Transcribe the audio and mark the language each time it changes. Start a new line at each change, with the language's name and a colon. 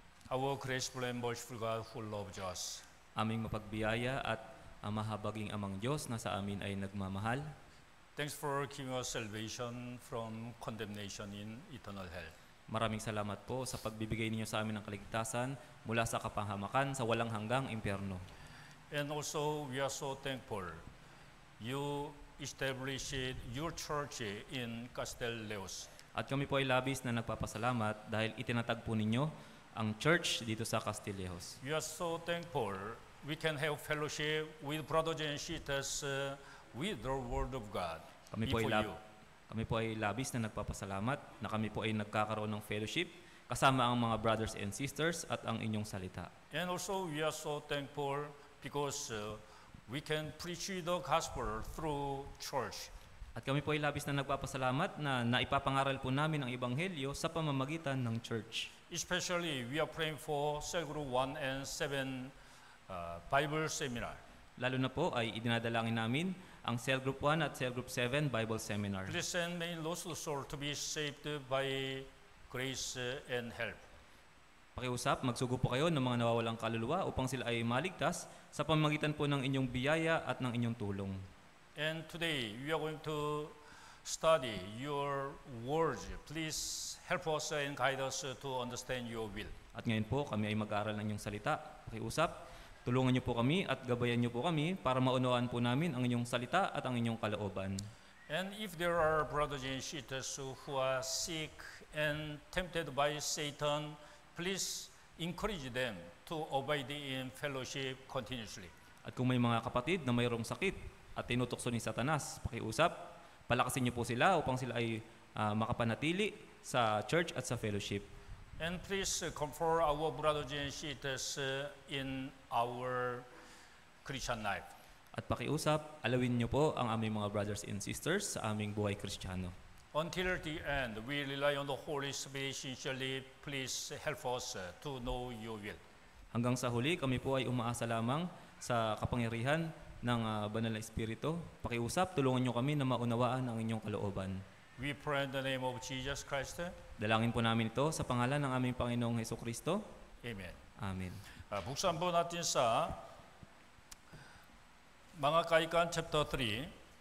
English: Our graceful and merciful God who loves us.
Filipino: Aming mapagbiyaya at ang mahabaging amang Diyos na sa amin ay nagmamahal.
English: Thanks for giving us salvation from condemnation in eternal hell.
Filipino: Maraming salamat po sa pagbibigay ninyo sa amin ng kaligtasan mula sa kapahamakan sa walang hanggang impyerno.
English: And also, we are so thankful you established your church in Castel Leos.
Filipino: At kami po ay labis na nagpapasalamat dahil itinatagpo ninyo ang church dito sa Castel Leos.
English: We are so thankful we can have fellowship with brothers and sisters with the Word of God before you.
Filipino: Kami po ay labis na nagpapasalamat na kami po ay nagkakaroon ng fellowship kasama ang mga
English: brothers and sisters
Filipino: at ang inyong salita.
English: And also, we are so thankful because we can preach the gospel through church.
Filipino: At kami po ay labis na nagpapasalamat na naipapangaral po namin ang Ebanghelyo sa pamamagitan ng church.
English: Especially, we are praying for Cell Group 1 and 7 Bible Seminar.
Filipino: Lalo na po ay idinadalangin namin ang Cell Group 1 at Cell Group 7 Bible Seminar.
English: Please send me lost soul to be saved by grace and help.
Filipino: Pakiusap, magsugo po kayo ng mga nawawalang kaluluwa upang sila ay maligtas sa pamamagitan po ng inyong biyaya at ng inyong tulong.
English: And today, we are going to study your words. Please help us and guide us to understand your will.
Filipino: At ngayon po, kami ay mag-aaral ng inyong salita. Pakiusap, tulungan niyo po kami at gabayan niyo po kami para maunawaan po namin ang inyong salita at ang inyong kalooban.
English: And if there are brothers and sisters who are sick and tempted by Satan, please encourage them to abide in fellowship continuously.
Filipino: At kung may mga kapatid na mayroong sakit at tinutukso ni Satanas, pakiusap, palakasin niyo po sila upang sila ay makapanatili sa church at sa fellowship.
English: And please comfort our brothers and sisters in our Christian life.
Filipino: At pakiusap, alawin niyo po ang aming mga
English: brothers and sisters
Filipino: sa aming buhay Kristiyano.
English: Until the end, we rely on the Holy Spirit sincerely. Please help us to know your will.
Filipino: Hanggang sa huli, kami po ay umaasa lamang sa kapangyarihan ng Banal na Espiritu. Pakiusap, tulungan niyo kami na maunawaan ang inyong kalooban.
English: We pray in the name of Jesus Christ.
Filipino: Dalangin po namin ito sa pangalan ng aming Panginoong Heso Kristo.
English: Amen. Amen.
Filipino: Buksan po natin sa mga Kaikan chapter 3.